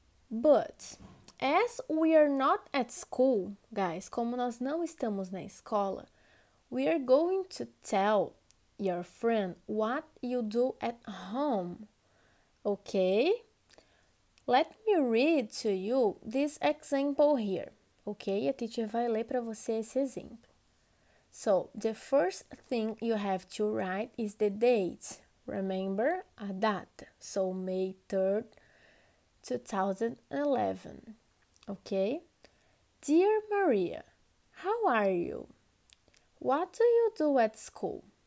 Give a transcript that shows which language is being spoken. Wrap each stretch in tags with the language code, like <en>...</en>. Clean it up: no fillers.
<en>But, as we are not at school, guys,</en> <pt>como nós não estamos na escola,</pt> <en>we are going to tell your friend what you do at home. Okay? Let me read to you this example here. Okay?</en> <pt>A teacher vai ler para você esse exemplo.</pt> <en>So, the first thing you have to write is the date. Remember? A data. So, May 3rd, 2011. Okay? Dear Maria, how are you? What do you do at school?</en>